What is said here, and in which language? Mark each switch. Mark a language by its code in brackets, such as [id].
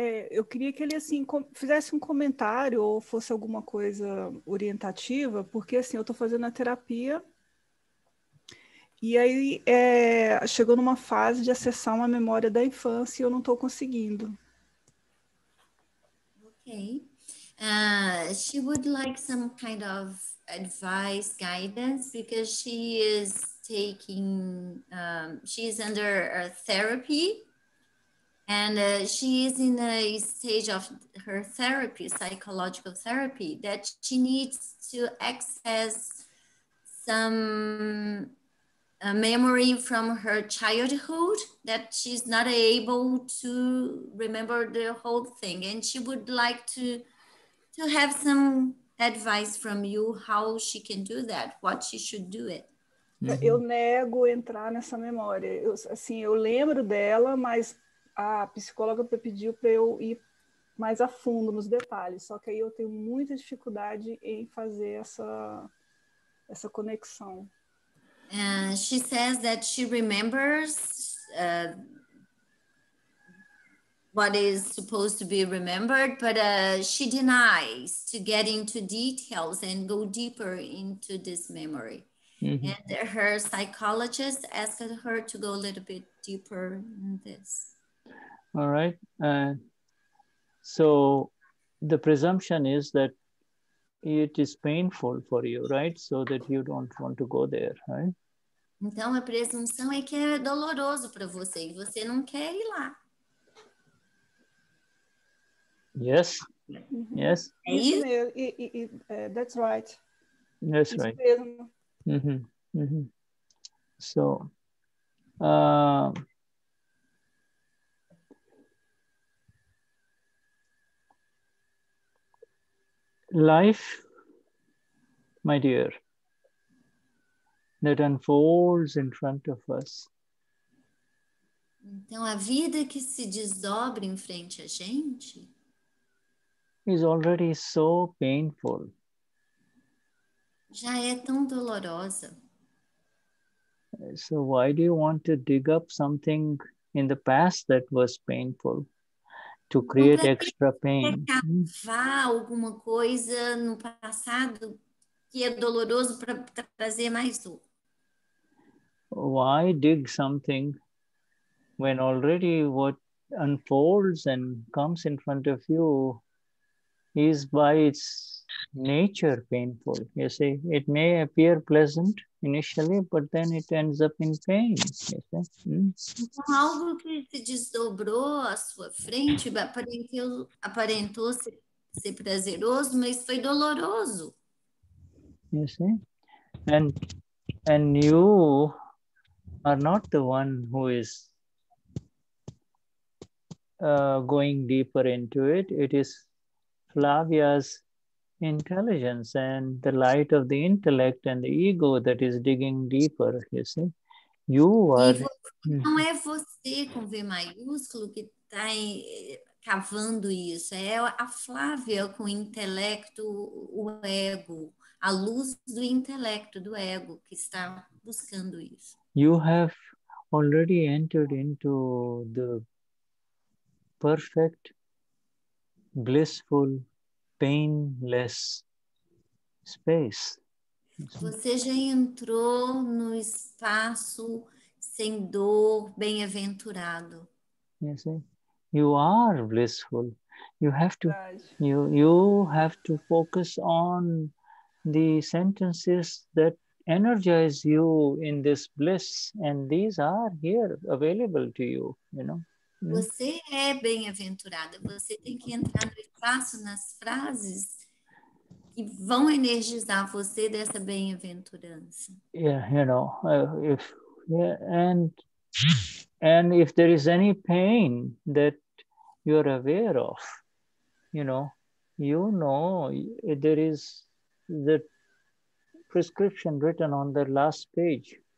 [pt] Eu queria que ele assim, fizesse um comentário ou fosse alguma coisa orientativa, porque assim, eu estou fazendo a terapia. E aí, chegou numa fase de acessar uma memória da infância e eu não estou conseguindo. Ok. [en] She would like some kind of advice, guidance, because she is taking, she is under a therapy. And she is in a stage of her therapy, psychological therapy, that she needs to access some... a memory from her childhood that she's not able to remember the whole thing. And she would like to have some advice from you how she can do that, what she should do it. [pt] Mm-hmm. Eu nego entrar nessa memória. Eu lembro dela, mas a psicóloga pediu para eu ir mais a fundo nos detalhes. Só que aí eu tenho muita dificuldade em fazer essa conexão. [en] She says that she remembers what is supposed to be remembered, but she denies to get into details and go deeper into this memory. Mm-hmm. And her psychologist asked her to go a little bit deeper in this. All right. So the presumption is that it is painful for you, right? So that you don't want to go there, right? [pt] Então, a presunção é que é doloroso para você e você não quer ir lá. [en] Yes. Yes. That's right. That's right. Mm-hmm. Mm-hmm. So, life, my dear, that unfolds in front of us. [pt] Então, a vida que se desdobra em frente a gente [en] is already so painful. [pt] Já é tão dolorosa. [en] So why do you want to dig up something in the past that was painful to create extra pain? [pt] Cavar alguma coisa no passado que é doloroso para trazer mais dor. [en] Why dig something when already what unfolds and comes in front of you is by its nature painful? You see, it may appear pleasant initially, but then it ends up in pain. You see? [pt] Então, algo que se desdobrou à sua frente aparentou ser prazeroso, mas foi doloroso. [en] You see? And you are not the one who is going deeper into it. It is Flavia's intelligence and the light of the intellect and the ego that is digging deeper, you see. You are... [pt] Não é você com V maiúsculo que está cavando isso. É a Flávia com o intelecto, o ego, a luz do intelecto, do ego, que está buscando isso. [en] You have already entered into the perfect, blissful, painless space. [pt] Você já entrou no espaço sem dor, bem-aventurado. [en] Yes, you are blissful. You have to you have to focus on the sentences that energize you in this bliss, and these are here available to you, you know. [pt] Você é bem-aventurada. Você tem que entrar no espaço nas frases que vão energizar você dessa bem-aventurança. [en] Yeah, you know, and if there is any pain that you are aware of, you know there is the prescription written on the last page.